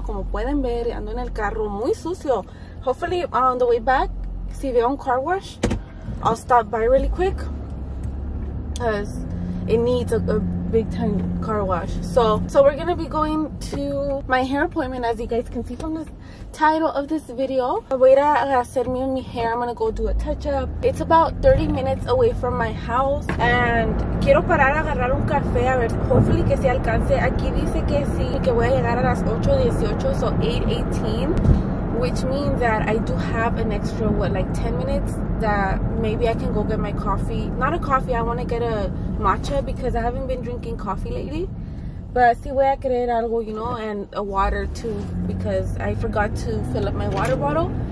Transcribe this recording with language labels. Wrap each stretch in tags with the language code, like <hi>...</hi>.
<es>Como pueden ver, ando en el carro muy sucio.</es> <en>Hopefully, on the way back,</en> <es>si veo un</es> <en>car wash, I'll stop by really quick. Because it needs a big time car wash. So we're going to be going to my hair appointment, as you guys can see from the title of this video.</en> <es>Voy a hacerme mi</es> <en>hair. I'm going to go do a touch up. It's about 30 minutes away from my house. And</en> <es>quiero parar a agarrar un café. A ver,</es> <en>hopefully</en> <es>que se alcance. Aquí dice que sí, que voy a llegar a las 8:18, so 8:18.</es> <en>Which means that I do have an extra, what, like 10 minutes that maybe I can go get my coffee. Not a coffee, I want to get a matcha because I haven't been drinking coffee lately. But</en> <es>si voy a querer algo,</es> <en>you know, and a water too because I forgot to fill up my water bottle.</en>